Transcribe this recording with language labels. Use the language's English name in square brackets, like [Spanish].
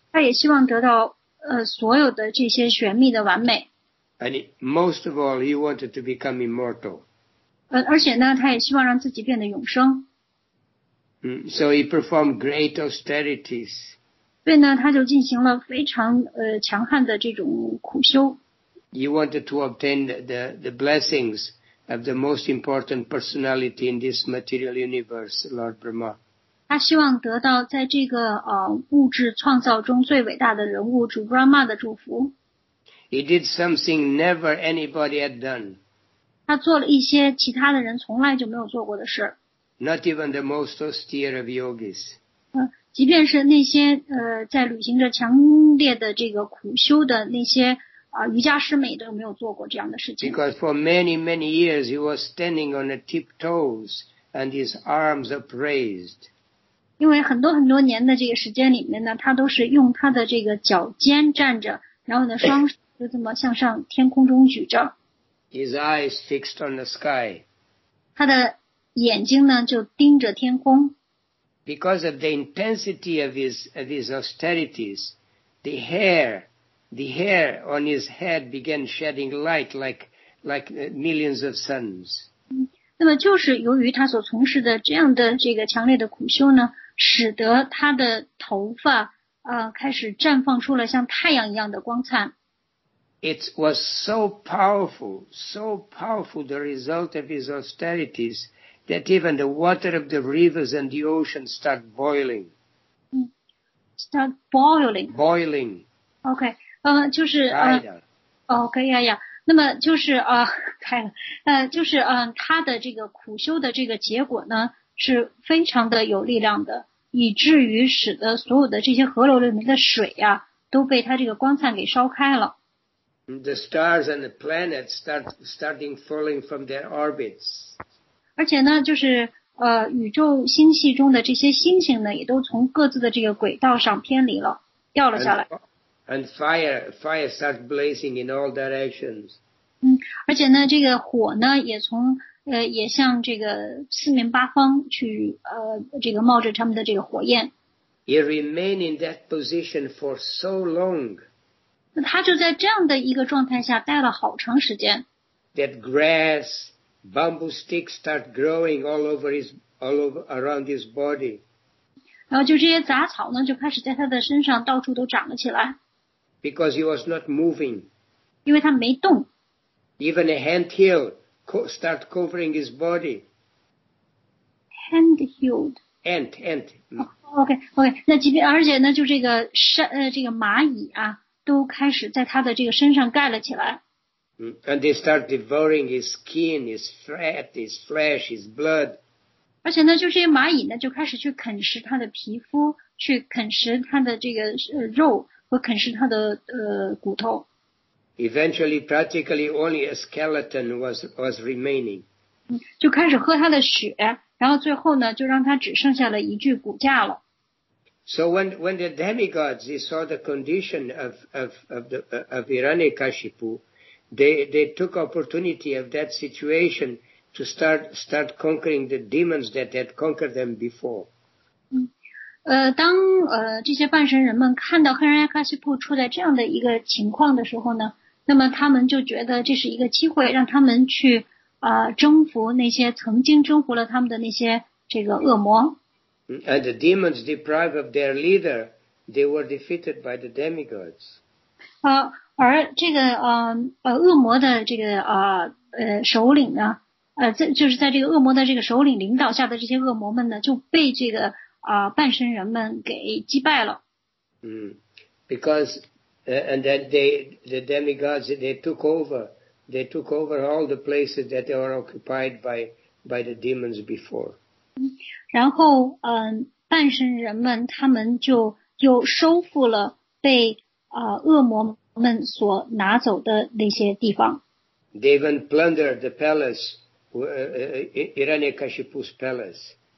[Chinese] 他也希望得到所有的这些玄秘的完美。 [English] And most of all, he wanted to become immortal. [Chinese] 而且呢，他也希望让自己变得永生。 [English] So he performed great austerities. [Chinese] 所以呢，他就进行了非常强悍的这种苦修。 [English] He wanted to obtain the blessings of the most important personality in this material universe, Lord Brahma. [Chinese] 他希望得到在这个物质创造中最伟大的人物主 Brahma 的祝福。 [English] He did something never anybody had done. [Chinese] 他做了一些其他的人从来就没有做过的事。 [English] Not even the most austere of yogis. [Chinese] 即便是那些在履行着强烈的这个苦修的那些瑜伽师们也都没有做过这样的事情。 [English] Because for many, many years he was standing on the tiptoes and his arms upraised. [Chinese] 因为很多很多年的这个时间里面呢，他都是用他的这个脚尖站着，然后呢双手就这么向上天空中举着。 [English] His eyes fixed on the sky. [Chinese] 他的眼睛呢就盯着天空。 [English] Because of the intensity of his austerities, the hair on his head began shedding light like millions of suns. [Chinese] 那么就是由于他所从事的这样的这个强烈的苦修呢，使得他的头发开始绽放出了像太阳一样的光灿。 [English] It was so powerful the result of his austerities that even the water of the rivers and the oceans start boiling. Start boiling. Boiling. [Chinese] Okay. 就是Okay, [English] yeah, yeah. [Chinese] 那么就是开了。就是他的这个苦修的这个结果呢是非常的有力量的，以至于使得所有的这些河流里面的水啊都被他这个光灿给烧开了。 [English] The stars and the planets starting falling from their orbits. [Chinese] 而且呢，就是宇宙星系中的这些星星呢，也都从各自的这个轨道上偏离了，掉了下来。 [English] And fire starts blazing in all directions. [Chinese] 而且呢，这个火呢，也从也向这个四面八方去这个冒着他们的这个火焰。 [English] He remained in that position for so long. [Chinese] 他就在这样的一个状态下待了好长时间。 [English] That grass, bamboo sticks start growing all over around his body. [Chinese] 然后就这些杂草呢，就开始在他的身上到处都长了起来。 [English] Because he was not moving. [Chinese] 因为他没动。 [English] Even a hand hill start covering his body. Hand healed. Ant. Okay. [Chinese] 那即便而且呢，就这个这个蚂蚁啊。都开始在他的这个身上盖了起来。 [English] And they start devouring his skin, his fat, his flesh, his blood. [Chinese] 而且呢，就这些蚂蚁呢，就开始去啃食他的皮肤，去啃食他的这个肉和啃食他的骨头。 [English] Eventually, practically only a skeleton was remaining. [Chinese] 就开始喝他的血，然后最后呢，就让他只剩下了一具骨架了。 [English] So when the demigods they saw the condition of Hiranyakashipu, they took opportunity of that situation to start conquering the demons that had conquered them before. [Chinese] 当这些半神人们看到 Hiranyakashipu 处在这样的一个情况的时候呢，那么他们就觉得这是一个机会，让他们去征服那些曾经征服了他们的那些这个恶魔。 [English] And the demons deprived of their leader, they were defeated by the demigods. [Chinese] 而这个恶魔的这个首领呢，就是在这个恶魔的这个首领领导下的这些恶魔们呢，就被这个半神人们给击败了。 [English] Because And then the demigods, they took over all the places that they were occupied by the demons before. [Chinese] 然后半神人们他们就又收复了被恶魔们所拿走的那些地方。 [English] They even plundered the palace, Hiranyakashipu's palace.